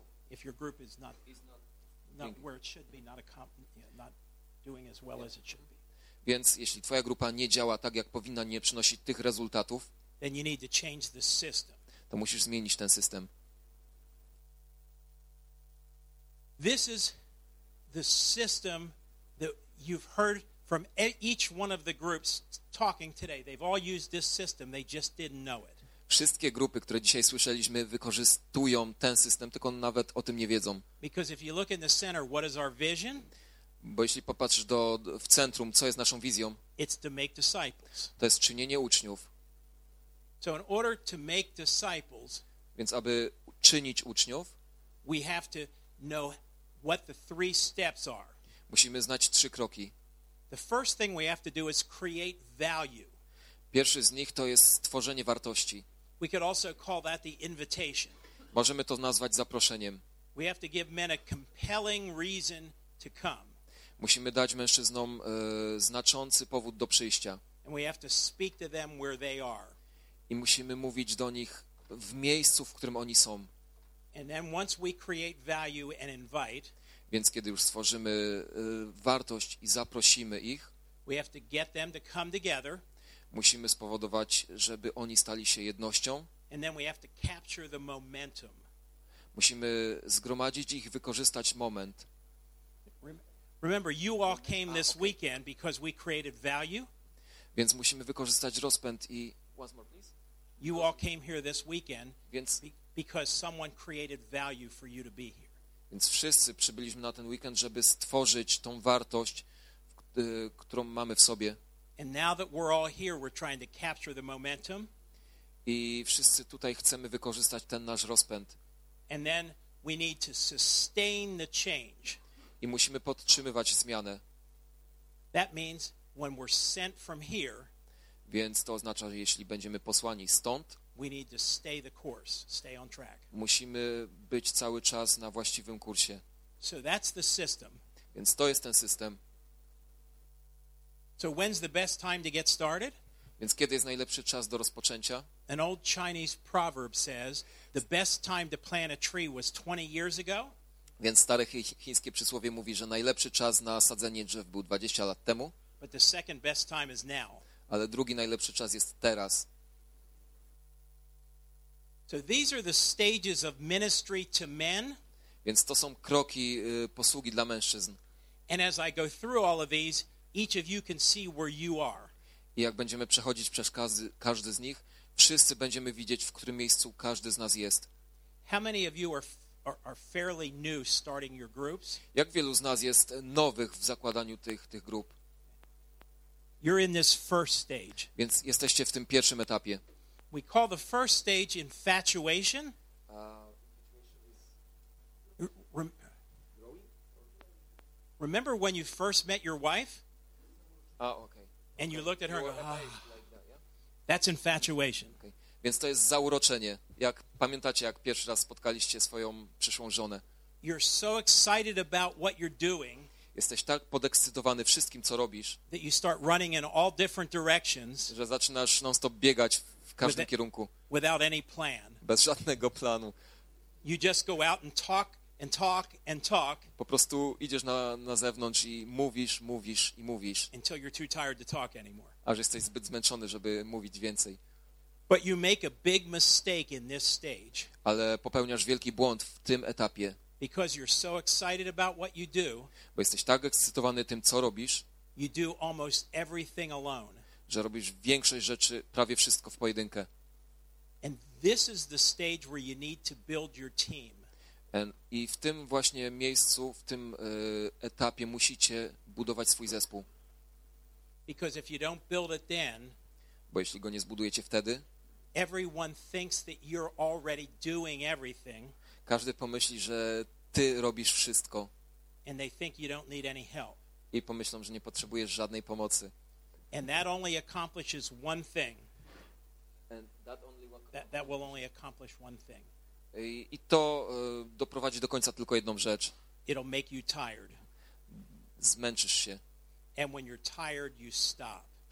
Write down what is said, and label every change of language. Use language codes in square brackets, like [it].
[en] If your group is not where it should be, not doing as well as it should be. [pl] Więc jeśli twoja grupa nie działa tak jak powinna, nie przynosi tych rezultatów, [en] then you need to change the system. [pl] To musisz zmienić ten system. [en] This is the system that you've heard from each one of the groups talking today. They've all used this system, they just didn't know it. [pl] Wszystkie grupy, które dzisiaj słyszeliśmy, wykorzystują ten system, tylko nawet o tym nie wiedzą. [en] Because if you look in the center, what is our vision? [pl] Bo jeśli popatrzysz w centrum, co jest naszą wizją? [en] It's to make disciples. [pl] To jest czynienie uczniów. [en] So in order to make disciples, [pl] więc aby czynić uczniów, [en] we have to know what the three steps are. [pl] Musimy znać trzy kroki. [en] The first thing we have to do is create value. [pl] Pierwszy z nich to jest stworzenie wartości. [en] We could also call that the invitation. [pl] Możemy to nazwać zaproszeniem. [en] We have to give men a compelling reason to come. [pl] Musimy dać mężczyznom znaczący powód do przyjścia. [en] And we have to speak to them where they are. [pl] I musimy mówić do nich w miejscu, w którym oni są. [en] And then once we create value and invite, [pl] więc kiedy już stworzymy wartość i zaprosimy ich, [en] we have to get them to come together, [pl] musimy spowodować, żeby oni stali się jednością. [en] And then we have to capture the momentum. [pl] Musimy zgromadzić ich, wykorzystać moment. [en] Remember, you all came this weekend because we created value. [pl] Więc musimy wykorzystać rozpęd i... [en] One more, please. You all came here this weekend, [pl] więc... [en] because someone created value for you to be here. [pl] Więc wszyscy przybyliśmy na ten weekend, żeby stworzyć tą wartość, którą mamy w sobie. [en] And now that we're all here, we're trying to capture the momentum. [pl] I wszyscy tutaj chcemy wykorzystać ten nasz rozpęd. [en] And then we need to sustain the change. [pl] I musimy podtrzymywać zmianę. [en] That means when we're sent from here, [pl] więc to oznacza, że jeśli będziemy posłani stąd, [en] we need to stay the course, stay on track. [pl] Musimy być cały czas na właściwym kursie. [en] So that's the system. [pl] Więc to jest ten system. [en] So when's the best time to get started? [pl] Więc kiedy jest najlepszy czas do rozpoczęcia? [en] An old Chinese proverb says, the best time to plant a tree was 20 years ago. [pl] Więc stare chińskie przysłowie mówi, że najlepszy czas na sadzenie drzew był 20 lat temu. [en] But the second best time is now. [pl] Ale drugi najlepszy czas jest teraz. [en] So these are the stages of ministry to men. [pl] Więc to są kroki posługi dla mężczyzn. [en] And as I go through all of these, each of you can see where you are. [pl] I jak będziemy przechodzić przez każdy z nich, wszyscy będziemy widzieć, w którym miejscu każdy z nas jest. [en] How many of you are fairly new starting your groups? [pl] Jak wielu z nas jest nowych w zakładaniu tych grup? [en] You're in this first stage. [pl] Więc jesteście w tym pierwszym etapie. [en] We call the first stage infatuation. Remember when you first met your wife? Oh, okay. And you looked at her and go, ah, like that, yeah? That's infatuation. Okay. [pl] Więc to jest zauroczenie. Jak pamiętacie, jak pierwszy raz spotkaliście swoją przyszłą żonę. [en] You're so excited about what you're doing. [pl] Jesteś tak podekscytowany wszystkim, co robisz. [en] That you start running in all different directions. [pl] Że zaczynasz non-stop biegać w każdym kierunku. [en] Without any plan. [pl] Bez żadnego planu. [en] You just go out and talk and talk and talk. [pl] Po prostu idziesz na zewnątrz i mówisz, mówisz i mówisz. [en] Until you're too tired to talk anymore. [pl] Aż jesteś zbyt zmęczony, żeby mówić więcej. [en] But you make a big mistake in this stage. [pl] Ale popełniasz wielki błąd w tym etapie. [en] Because you're so excited about what you do. [pl] Bo jesteś tak ekscytowany tym, co robisz. [en] You do almost everything alone. [pl] Że robisz większość rzeczy, prawie wszystko w pojedynkę. [en] And this is the stage where you need to build your team. [pl] I w tym właśnie miejscu, w tym etapie musicie budować swój zespół. [en] Because if you don't build it then, [pl] bo jeśli go nie zbudujecie wtedy, [en] everyone thinks that you're already doing everything, [pl] każdy pomyśli, że ty robisz wszystko. [en] And they think you don't need any help. [pl] I pomyślą, że nie potrzebujesz żadnej pomocy. [en] And that only accomplishes one thing. And that only one that, that will only accomplish one thing. [pl] I to doprowadzi do końca tylko jedną rzecz. [en] It'll make you tired. [pl] Zmęczysz się. [en] And when you're tired, you stop.